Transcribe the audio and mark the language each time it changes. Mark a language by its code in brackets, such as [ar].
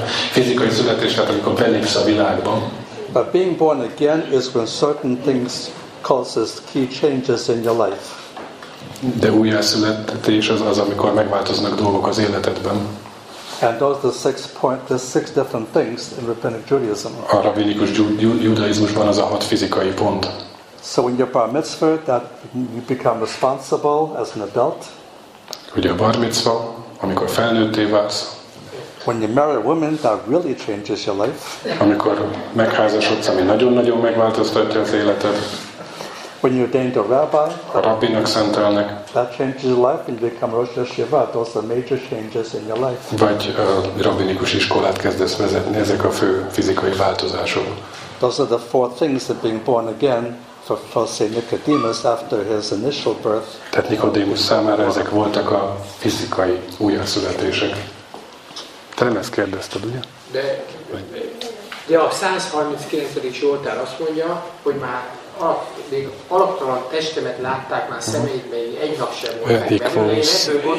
[hu] Fizikai születés, tehát amikor belépsz a világban. [en] But being born again is when certain things causes key changes in your life. [hu] De újjászületés az, amikor megváltoznak dolgok az életedben. [en] And those are the six different things in rabbinic Judaism. [hu] A rabbinikus judaizmusban az a hat fizikai pont. [en] So when you're bar mitzvah, that you become responsible as an adult. [hu] Ugye a bar mitzvah, amikor felnőtté válsz. [en] When you marry a woman, that really changes your life. [hu] Amikor megházasodsz, ami nagyon-nagyon megváltoztatja az életed. [en] When you ordained a rabbi, [hu] a rabbinak szentelnek. [en] That changes your life and you become Rosh Yeshiva. Those are major changes in your life. [hu] Vagy a rabbinikus iskolát kezdesz vezetni, ezek a fő fizikai változások. [en] Those are the four things that being born again for say Nicodemus after his initial birth. [hu] Tehát Nikodémus számára ezek voltak a fizikai újjászületések. Te nem ezt kérdezted, ugye? De a 139. Zsoltár azt mondja, hogy alaptalan testemet látták már személyben, egy nap sem volt.